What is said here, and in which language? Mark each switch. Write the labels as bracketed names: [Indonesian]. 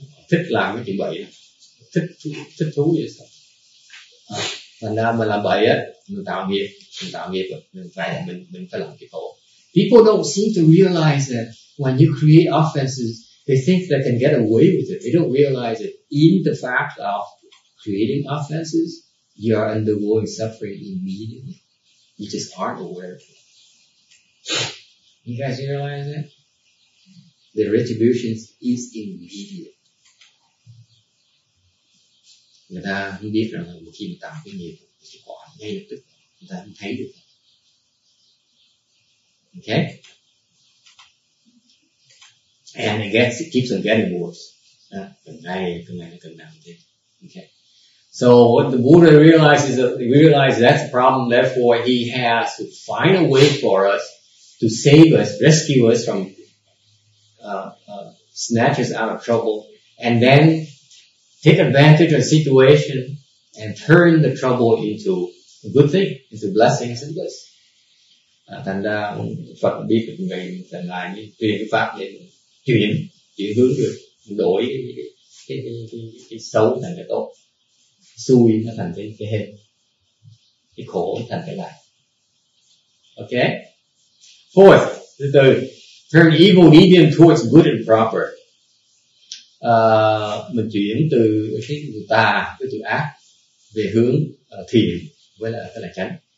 [Vietnamese] thích làm cái chuyện bậy, thích thú vậy sao? Thành ra mình làm bậy á, mình tạo nghiệp, mình phải làm cái khổ. [English] People don't seem to realize that when you create offenses, they think they can get away with it. They don't realize that in the fact of creating offenses, you are undergoing suffering immediately. You just aren't aware of it. You guys realize that? The retribution is immediate. [Vietnamese] Người ta không biết rằng một khi mình tạo cái nghiệp thì quả ngay lập tức người ta không thấy được. [English] Okay? And it keeps on getting worse. Okay. So what the Buddha realizes, that's the problem, therefore he has to find a way for us to save us, rescue us from snatch us out of trouble, and then take advantage of the situation and turn the trouble into a good thing, into blessings and bliss. [Vietnamese] Thành ra Phật biết được mình thành là như truyền cái pháp để chuyển hướng được, đổi cái xấu thành cái tốt, xui nó thành cái hên, cái khổ thành cái lành. [English] Ok. Fourth, the turn evil medium towards good and proper. [Vietnamese] Mình chuyển từ cái chữ tà, cái chữ ác về hướng thiện với là cái là chánh.